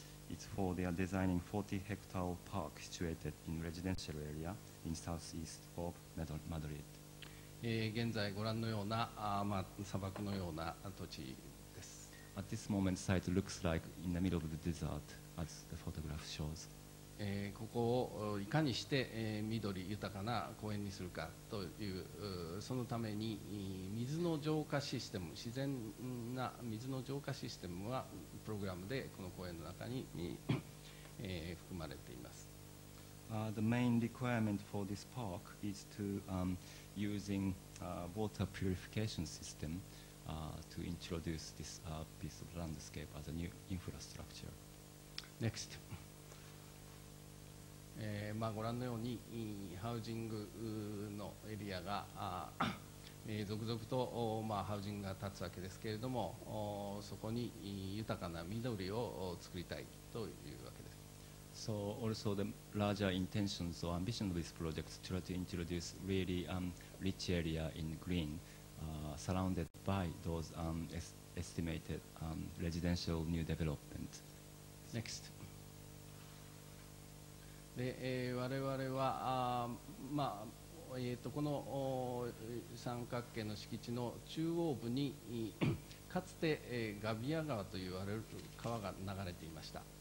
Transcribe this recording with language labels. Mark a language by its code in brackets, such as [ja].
[en] It's for they are designing 40 hectare park situated in residential area in southeast of Madrid. [ja] 現在ご覧のような、まあ、砂漠のような土地です。 [en] At this moment, the site looks like in the middle of the desert, as the photograph shows. [ja] ここをいかにして、緑豊かな公園にするかという、そのために水の浄化システム、自然な水の浄化システムはプログラムでこの公園の中に含まれています。 [en] The main requirement for this park is to using water purification system to introduce this piece of landscape as a new infrastructure. Next. [ja] まあご覧のようにハウジングのエリアが続々とまあハウジングが建つわけですけれども、そこに豊かな緑を作りたいというわけです。 [en] So also the larger intentions or ambition of this project to try to introduce really rich area in green surrounded by those estimated residential new development. Next. [ja] で、我々はまあ、この三角形の敷地の中央部にかつて、ガビア川と言われる川が流れていました。